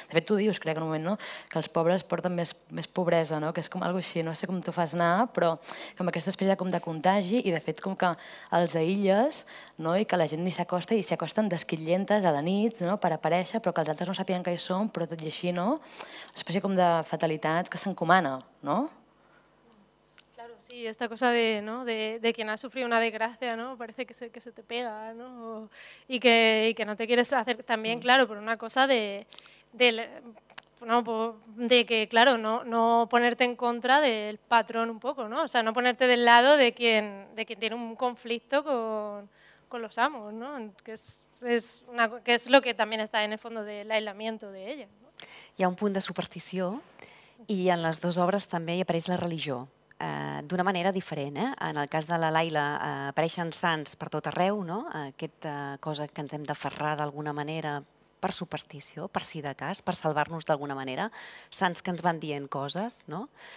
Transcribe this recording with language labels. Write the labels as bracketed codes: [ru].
[ca] De fet, tu dius, crec, en un moment, no? que els pobres porten més pobresa, no? que és com algo així, no sé com t'ho fas anar, però com aquesta espècie de, com de contagi i, de fet, com que els aïlles no? i que la gent ni s'acosta i s'acosten desquillentes a la nit no? per aparèixer, però que els altres no sapien que hi són, però tot i així, no? Una espècie com de fatalitat que s'encomana, no? [es] Sí, esta cosa de, ¿no? de quien ha sufrido una desgracia, ¿no? Parece que se te pega, ¿no? Y que no te quieres hacer también, claro, por una cosa de que no ponerte en contra del patrón un poco, ¿no? O sea, no ponerte del lado de quien tiene un conflicto con los amos, ¿no? Que es lo que también está en el fondo del aislamiento de ella, ¿no? [ca] Hi ha un punt de superstició i en les dues obres també hi apareix la religió. D'una manera diferent. Eh? En el cas de la Laila apareixen sants per tot arreu, no? aquesta cosa que ens hem d'aferrar d'alguna manera per superstició, per si de cas, per salvar-nos d'alguna manera, sants que ens van dient coses, no?